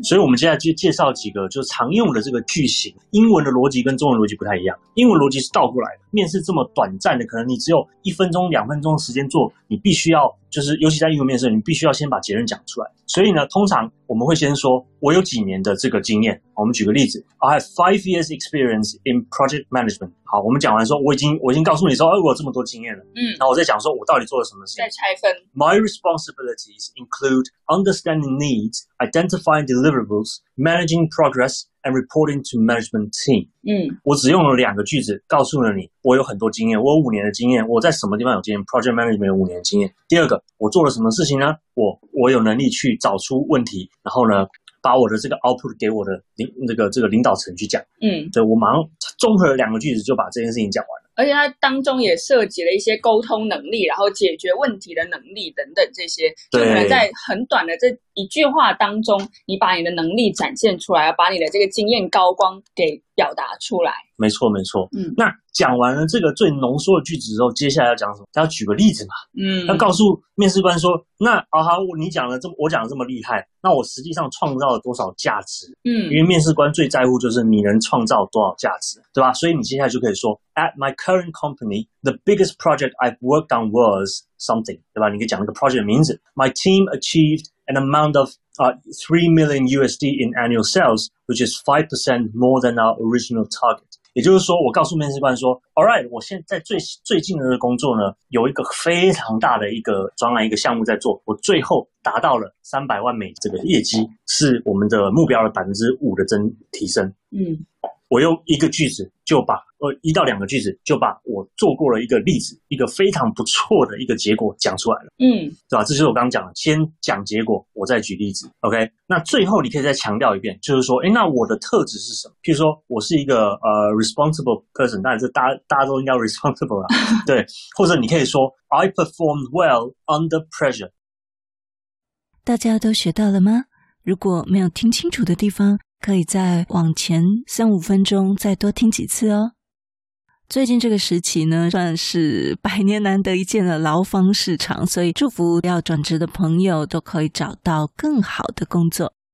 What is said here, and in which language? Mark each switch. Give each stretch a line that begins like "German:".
Chinese: 所以我们接下来就介绍几个就常用的这个句型，英文的逻辑跟中文逻辑不太一样，英文逻辑是倒过来的。面试这么短暂的，可能你只有一分钟、两分钟的时间做，你必须要就是，尤其在英文面试，你必须要先把结论讲出来。所以呢，通常我们会先说，我有几年的这个经验。我们举个例子 ，
English: I have 5 years experience in project management。
Chinese: 好，我们讲完说，我已经告诉你说，哎，我有这么多经验了。然后我再讲说我到底做了什么事情。再拆分。
English: My responsibilities include understanding needs, identifying deliverables, managing progress. And reporting to management team.
Chinese: 我只用了两个句子告诉了你，我有很多经验，我有五年的经验，我在什么地方有经验 ？Project management 有五年的经验。第二个，我做了什么事情呢？我有能力去找出问题，然后呢，把我的这个 output 给我的这个领导层去讲。对，我马上综合了两个句子就把这件事情讲完了。而且它当中也涉及了一些沟通能力，然后解决问题的能力等等这些，就可能在很短的这一句话当中，你把你的能力展现出来，把你的这个经验高光给表达出来。没错，没错。嗯，那讲完了这个最浓缩的句子之后，接下来要讲什么？要举个例子嘛。嗯，要告诉面试官说，那啊哈，你讲了这么，我讲的这么厉害，那我实际上创造了多少价值？嗯，因为面试官最在乎就是你能创造多少价值，对吧？所以你接下来就可以说
English: ，At my current company, the biggest project I've worked on was something，
Chinese: 对吧？你可以讲那个 project 的名字。
English: My team achieved an amount of $3 million in annual sales, which is 5% more than our original target。
Chinese: 也就是说，我告诉面试官说 ，
English: All right，
Chinese: 我现在最近的工作呢，有一个非常大的一个专案、一个项目在做，我最后达到了$3,000,000这个业绩，是我们的目标的5%的增提升。嗯，我用一个句子就把一到两个句子就把我做过了一个例子，一个非常不错的一个结果讲出来了。嗯，对吧？这就是我刚讲的，先讲结果，我再举例子。OK， 那最后你可以再强调一遍，就是说，哎，那我的特质是什么？譬如说我是一个responsible person， 但是大家都应该 responsible 啦。对，或者你可以说
English: I performed well under pressure。
Chinese: 大家都学到了吗？如果没有听清楚的地方，可以再往前3-5分钟再多听几次哦。最近这个时期呢，算是百年难得一见的劳方市场，所以祝福要转职的朋友都可以找到更好的工作。